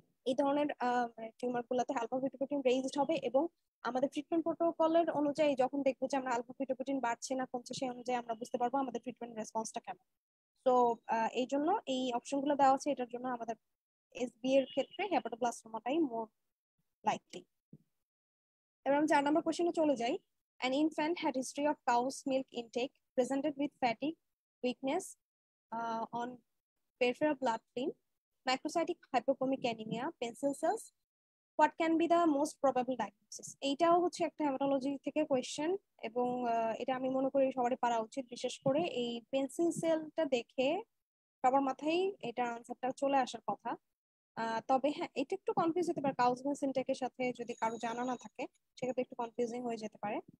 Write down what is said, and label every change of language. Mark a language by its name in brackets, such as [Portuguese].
[Bangla] এই ধরনের টিউমার গুলাতে আলফা পিটোপ্রোটিন রেইজড হবে, এবং আমাদের ট্রিটমেন্ট প্রোটোকলের অনুযায়ী যখন দেখবো যে আমরা আলফা পিটোপ্রোটিন বাড়ছে না কমছে, সেই অনুযায়ী আমরা বুঝতে পারবো আমাদের ট্রিটমেন্ট রেসপন্সটা কেমন। তো এই জন্য এই অপশন গুলো দেওয়া আছে, এটার জন্য আমাদের এসবি এর ক্ষেত্রে হেপাটোব্লাস্টোমাটাই মোর লাইকলি। এবার আমি 4 নম্বর কোয়েশ্চনে চলে যাই। [English] An infant had history of cow's milk intake, presented with fatigue, weakness on peripheral blood film, macrocytic hypochromic anemia, pencil cells. What can be the most probable diagnosis? [Bangla] এইটাও হচ্ছে একটা haematology থেকে question, এবং এটা আমি মনে করি সবারই পারা উচিত, বিশেষ করে এই পেন্সিল সেলটা দেখে সবার মাথায় এটা আনসারটা চলে আসার কথা। তবে হ্যাঁ, এটা একটু কনফিউজ হতে পারে, কাউজমা সিনট্যাকের সাথে যদি কারো জানা না থাকে সেক্ষেত্রে একটু কনফিউজিং হয়ে যেতে পারে।